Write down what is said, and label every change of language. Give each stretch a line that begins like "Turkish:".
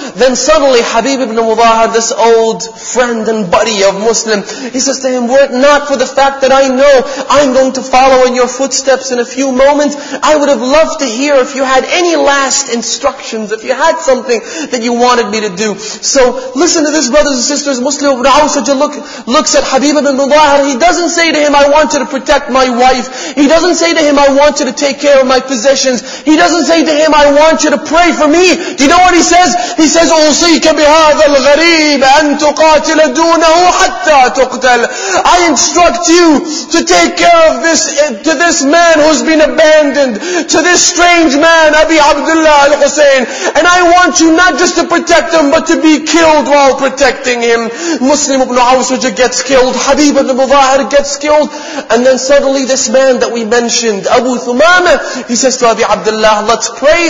English: Then suddenly Habib ibn Mudahir, this old friend and buddy of Muslim, he says to him, "Were it not for the fact that I know I'm going to follow in your footsteps in a few moments, I would have loved to hear if you had any last instructions, if you had something that you wanted me to do." So listen to this, brothers and sisters. Muslim ibn Awsajah looks at Habib ibn Mudahir. He doesn't say to him, "I want you to protect my wife." He doesn't say to him, "I want you to take care of my possessions." He doesn't say to him, "I want you to pray for me." Do you know what he says? He says,
Arabic: إذ أوصيك بهذا الغريب أن تقاتل دونه حتى تقتل.
English: I instruct you to take care of this, to this man who's been abandoned, to this strange man, Abi Abdullah al-Hussein. And I want you not just to protect him, but to be killed while protecting him. Muslim ibn Aws gets killed, Habib ibn Mudahir gets killed, and then suddenly this man that we mentioned, Abu Thumama, he says to Abi Abdullah, let's pray.